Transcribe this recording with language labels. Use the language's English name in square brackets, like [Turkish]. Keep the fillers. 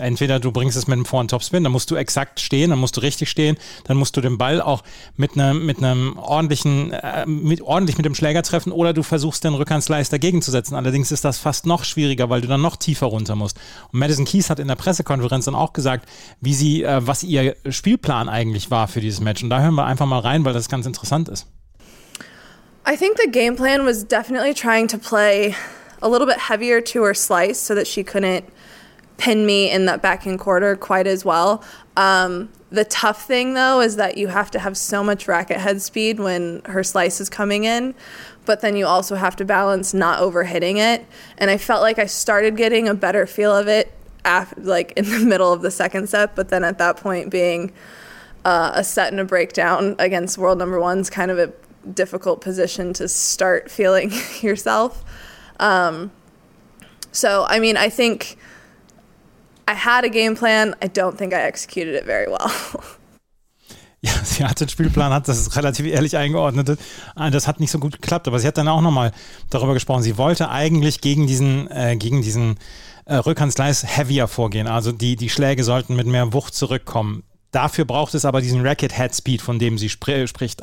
[German] Entweder du bringst es mit dem Vor- und Topspin, dann musst du exakt stehen, dann musst du richtig stehen, dann musst du den Ball auch mit einem mit einem ordentlichen, äh, mit, ordentlich mit dem Schläger treffen oder du versuchst den Rückhandslice dagegen zu setzen. Allerdings ist das fast noch schwieriger, weil du dann noch tiefer runter musst. Und Madison Keys hat in der Pressekonferenz dann auch gesagt, wie sie, äh, was ihr Spielplan eigentlich war für dieses Match. Und da hören wir einfach mal rein, weil das ganz interessant ist. [English] I think the game plan was definitely trying to play a little bit heavier to her slice so that she couldn't pin me in that back end quarter quite as well. Um, the tough thing though is that you have to have so much racket head speed when her slice is coming in, but then you also have to balance not overhitting it. And I felt like I started getting a better feel of it after, like in the middle of the second set, but then at that point being uh, a set and a breakdown against world number ones kind of a difficult position to start feeling yourself. Um, so, I mean, I think I had a game plan. I don't think I executed it very well. [German] Ja, sie hatte den Spielplan, hat das relativ ehrlich eingeordnet. Das hat nicht so gut geklappt, aber sie hat dann auch nochmal darüber gesprochen. Sie wollte eigentlich gegen diesen, äh, gegen diesen äh, heavier vorgehen. Also die, die Schläge sollten mit mehr Wucht zurückkommen. Dafür braucht es aber diesen Racket Head Speed, von dem sie spricht.